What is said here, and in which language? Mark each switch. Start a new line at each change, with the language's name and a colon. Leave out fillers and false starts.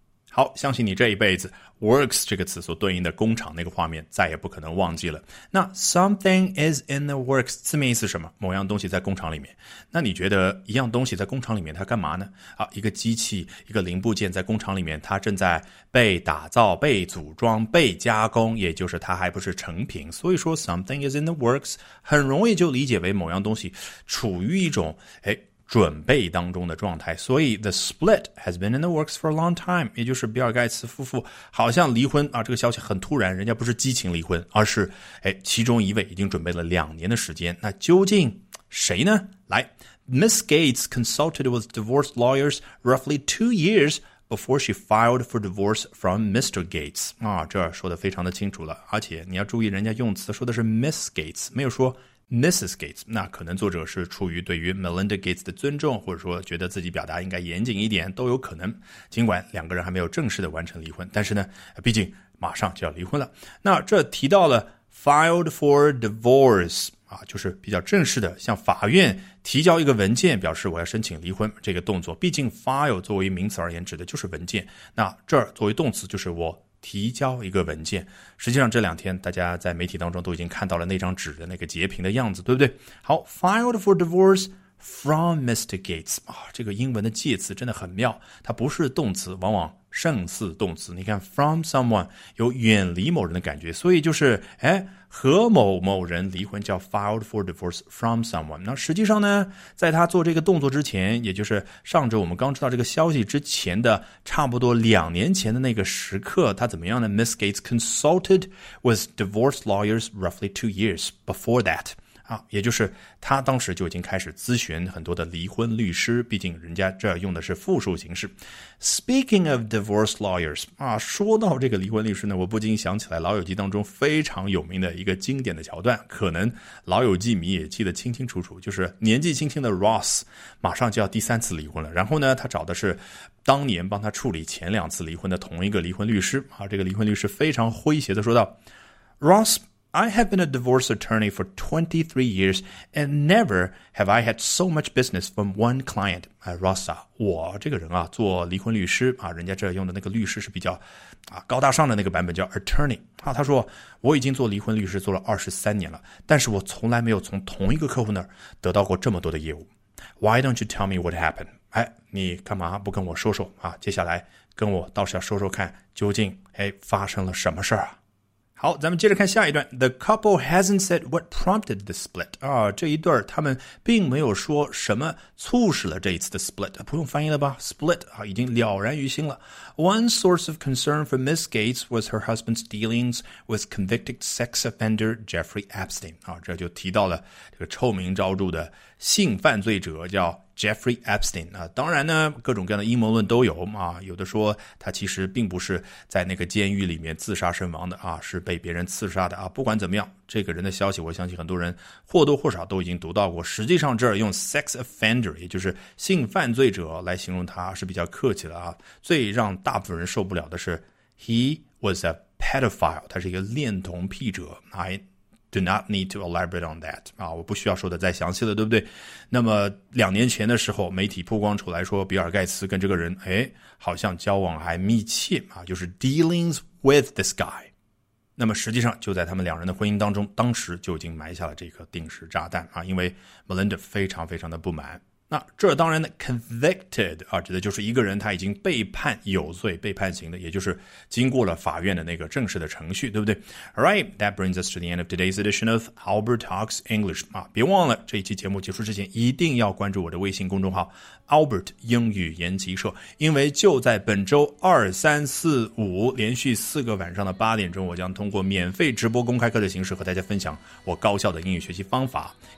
Chinese: 好相信你这一辈子 works 这个词所对应的工厂那个画面再也不可能忘记了那
English: something is in the works
Chinese: 字面意思是什么某样东西在工厂里面那你觉得一样东西在工厂里面它干嘛呢啊，一个机器一个零部件在工厂里面它正在被打造被组装被加工也就是它还不是成品所以说 something is in the works 很容易就理解为某样东西处于一种哎。准备当中的状态所以
English: the split has been in the works for a long time
Chinese: 也就是比尔盖茨夫妇好像离婚啊，这个消息很突然人家不是激情离婚而是哎，其中一位已经准备了两年的时间那究竟谁呢来 Ms.
English: Gates consulted with divorce lawyers roughly 2 years before she filed for divorce from Mr.
Chinese: Gates 啊，这说得非常的清楚了而且你要注意人家用词说的是 Ms. Gates 没有说Mrs. Gates 那可能作者是出于对于 Melinda Gates 的尊重或者说觉得自己表达应该严谨一点都有可能尽管两个人还没有正式的完成离婚但是呢毕竟马上就要离婚了那这提到了
English: filed for divorce
Chinese: 啊，就是比较正式的向法院提交一个文件表示我要申请离婚这个动作毕竟 file 作为名词而言指的就是文件那这作为动词就是我提交一个文件。实际上这两天大家在媒体当中都已经看到了那张纸的那个截屏的样子，对不对？
English: 好， filed for divorce from Mr.
Chinese: Gates、这个英文的介词真的很妙，它不是动词，往往胜似动词。你看
English: from someone
Chinese: 有远离某人的感觉，所以就是和某某人离婚叫
English: filed for divorce from someone。
Chinese: 那实际上呢，在他做这个动作之前，也就是上周我们刚知道这个消息之前的差不多两年前的那个时刻，他怎么样呢？
English: Miss Gates consulted with divorce lawyers roughly 2 years before that。
Chinese: 也就是他当时就已经开始咨询很多的离婚律师，毕竟人家这用的是复数形式。
English: Speaking of divorce lawyers、
Chinese: 说到这个离婚律师呢，我不禁想起来老友记当中非常有名的一个经典的桥段，可能老友记迷也记得清清楚楚，就是年纪轻轻的 Ross 马上就要第三次离婚了，然后呢他找的是当年帮他处理前两次离婚的同一个离婚律师、这个离婚律师非常诙谐的说道，
English: RossI have been a divorce attorney for 23 years and never have I had so much business from one client.
Chinese: Rosa, 我这个人啊做离婚律师啊，人家这用的那个律师是比较高大上的那个版本叫 attorney。他说我已经做离婚律师做了23年了，但是我从来没有从同一个客户那儿得到过这么多的业务。
English: Why don't you tell me what happened?
Chinese: 你干嘛不跟我说说啊，接下来跟我倒是要说说看究竟发生了什么事儿啊。好，咱们接着看下一段。
English: The couple hasn't said what prompted the split.
Chinese: 这一对他们并没有说什么促使了这一次的 split。不用翻译了吧 ?split, 已经了然于心了。
English: One source of concern for Ms. Gates was her husband's dealings with convicted sex offender Jeffrey Epstein.
Chinese: 这就提到了这个臭名昭著的性犯罪者叫Jeffrey Epstein。当然呢各种各样的阴谋论都有啊，有的说他其实并不是在那个监狱里面自杀身亡的啊，是被别人刺杀的啊。不管怎么样，这个人的消息我相信很多人或多或少都已经读到过，实际上这儿用 sex offender 也就是性犯罪者来形容他是比较客气的啊。最让大部分人受不了的是
English: he was a pedophile,
Chinese: 他是一个恋童癖者。
English: Do not need to elaborate on that.
Chinese: 我不需要说的再详细了，对不对？那么两年前的时候，媒体曝光出来说，比尔盖茨跟这个人，好像交往还密切啊，就是
English: dealings with this guy。
Chinese: 那么实际上就在他们两人的婚姻当中，当时就已经埋下了这颗定时炸弹啊，因为 Melinda 非常非常的不满。那这当然的 convicted 啊，指的就是一个人他已经被判有罪、被判刑的，也就是经过了法院的那个正式的程序，对不对？
English: Alright, that brings us to the end of today's edition of Albert Talks English.
Chinese: 别忘了这一期节目结束之前一定要关注我的微信公众号 Albert 英语研习社，因为就在本周二、三、四、五连续四个晚上的八点钟，我将通过免费直播公开课的形式和大家分享我高效的英语学习方法。